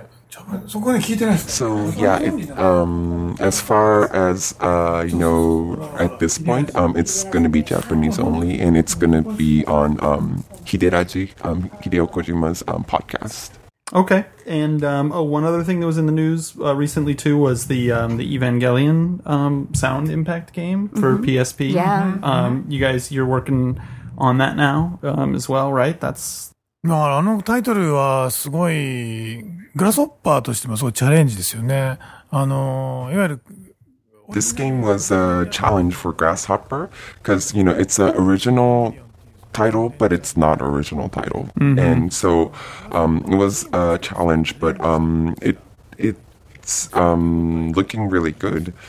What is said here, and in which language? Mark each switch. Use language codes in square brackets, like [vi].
[en] So, yeah, it, as far as you know, at this point, it's going to be Japanese only, and it's going to be on Hideraji, Hideo Kojima's podcast. Okay, and one other thing that was in the news recently, too, was the Evangelion sound impact game for PSP. Yeah. You guys, you're working on that now as well, right? That's... [ja] まあ、あのタイトルはすごいグラスホッパーとしてもすごいチャレンジですよね。あの、いわゆる [en] This game was a challenge for Grasshopper because, you know, it's an original title, but it's not original title. Mm-hmm. And so, it was a challenge, but, it's looking really good.